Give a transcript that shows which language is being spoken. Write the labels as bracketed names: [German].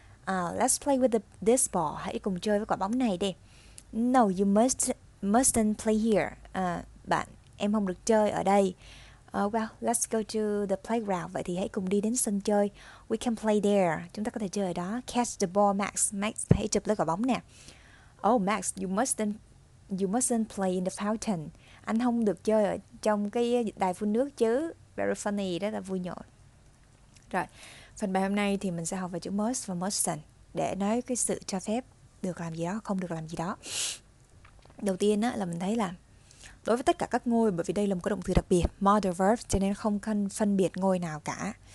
[English] Let's play with this ball. [Vietnamese] Hãy cùng chơi với quả bóng này đi. [English] No, you mustn't play here. [Vietnamese] Bạn, em không được chơi ở đây. [English] Well, let's go to the playground. [Vietnamese] Vậy thì hãy cùng đi đến sân chơi. [English] We can play there. [Vietnamese] Chúng ta có thể chơi ở đó. [English] Catch the ball, Max. [Vietnamese] Max, hãy chụp lấy quả bóng nè. [English] Oh, Max, you mustn't play in the fountain. [Vietnamese] Anh không được chơi ở trong cái đài phun nước chứ. [English] Very funny, [Vietnamese] đó là vui nhộn. Rồi. Phần bài hôm nay thì mình sẽ học về chữ must và mustn't để nói cái sự cho phép được làm gì đó, không được làm gì đó. Đầu tiên á, là mình thấy là đối với tất cả các ngôi, bởi vì đây là một cái động từ đặc biệt, modal verb, cho nên không cần phân biệt ngôi nào cả.